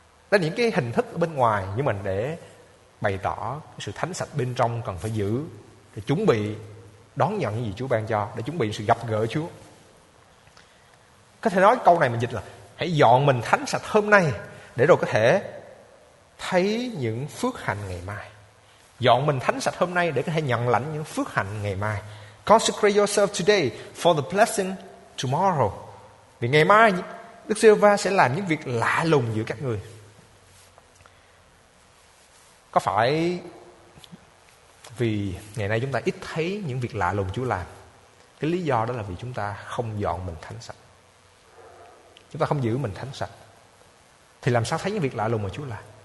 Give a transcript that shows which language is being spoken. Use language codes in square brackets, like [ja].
[vi] Đó là những cái hình thức ở bên ngoài, nhưng mà để bày tỏ cái sự thánh sạch bên trong cần phải giữ, để chuẩn bị đón nhận những gì Chúa ban cho, để chuẩn bị sự gặp gỡ Chúa. Có thể nói câu này mình dịch là: hãy dọn mình thánh sạch hôm nay, để rồi có thể thấy những phước hạnh ngày mai. Dọn mình thánh sạch hôm nay để có thể nhận lãnh những phước hạnh ngày mai. [en] Consecrate yourself today for the blessing tomorrow. [vi] Vì ngày mai Đức Giê-hô-va sẽ làm những việc lạ lùng giữa các người. Có phải vì ngày nay chúng ta ít thấy những việc lạ lùng Chúa làm? Cái lý do đó là vì chúng ta không dọn mình thánh sạch. Chúng ta không giữ mình thánh sạch thì làm sao thấy những việc lạ lùng mà Chúa làm?